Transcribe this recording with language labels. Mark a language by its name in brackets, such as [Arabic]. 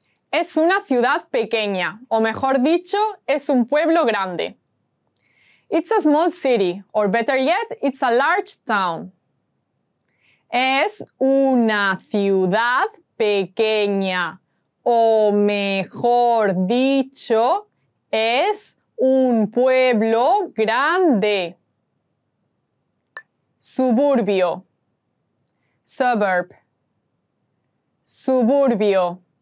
[Spanish] Es una ciudad pequeña, o mejor dicho, es un pueblo grande. [English] It's a small city, or better yet, it's a large town. [Spanish] Es una ciudad pequeña, o mejor dicho, es un pueblo grande. Suburbio. Suburb. Suburbio.